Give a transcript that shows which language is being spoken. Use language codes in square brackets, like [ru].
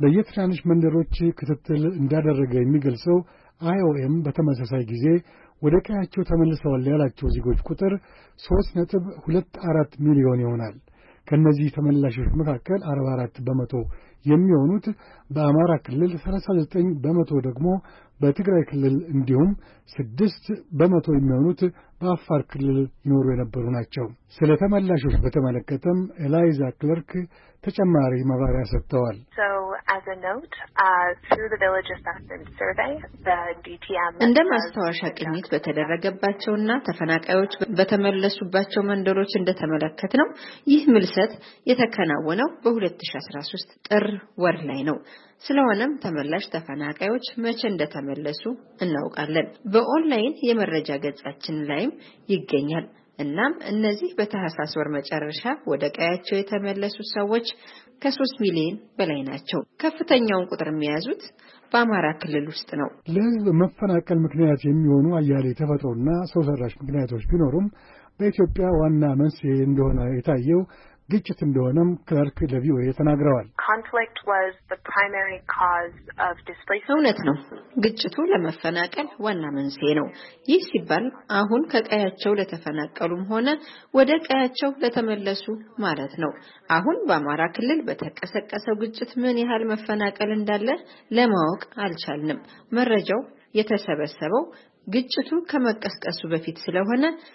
[am] በየትናንሽ መንደሮች ክትትል እንዳደረገ የሚገልጸው IOM በተመሳሳይ ጊዜ ወደ ቀያቸው ተመልሰዋል ያላቸው ዜጎች ቁጥር 3.24 ሚሊዮን ይሆናል። ከነዚህ ተመላሾች መካከል 44% የሚሆኑት በአማራ ክልል፣ 39% ደግሞ በትግራይ ክልል እንዲሁም 6% የሚሆኑት በአፋር ክልል ይኖሩ የነበሩ ናቸው። ስለ ተመላሾች በተመለከተም ኤላይዛ ክለርክ ተጨማሪ ማብራሪያ ሰጥተዋል። [en] So as a note, through the village assessment survey, the DTM [am] እንደማስተዋሻ ቅኝት በተደረገባቸውና ተፈናቃዮች በተመለሱባቸው መንደሮች እንደተመለከትነው ይህ ምልሰት የተከናወነው በ2013 ጥር ወር ላይ ነው። ስለሆነም ተመላሽ ተፈናቃዮች መቼ እንደተመለሱ እናውቃለን። በኦንላይን የመረጃ ገጻችን ላይም ይገኛል። እናም እነዚህ በተሐሳስ ወር መጨረሻ ወደ ቀያቸው የተመለሱ ሰዎች ከ3 ሚሊዮን በላይ ናቸው። ከፍተኛውን ቁጥር የሚያዙት በአማራ ክልል ውስጥ ነው። ለዚህ መፈናቀል ምክንያት የሚሆኑ አያሌ ተፈጥሮና ሰው ሰራሽ ምክንያቶች ቢኖሩም በኢትዮጵያ ዋና መንስኤ እንደሆነ የታየው ግጭት እንደሆነም ክለርክ ለቪኦኤ ተናግረዋል። [en] Conflict was the primary cause of displacement. [am] እውነት ነው። ግጭቱ ለመፈናቀል ዋና መንስኤ ነው። ይህ ሲባል አሁን ከቀያቸው ለተፈናቀሉም ሆነ ወደ ቀያቸው ለተመለሱ ማለት ነው። አሁን በአማራ ክልል በተቀሰቀሰው ግጭት ምን ያህል መፈናቀል እንዳለ ለማወቅ አልቻልንም። መረጃው የተሰበሰበው ግጭቱ ከመቀስቀሱ በፊት ስለሆነ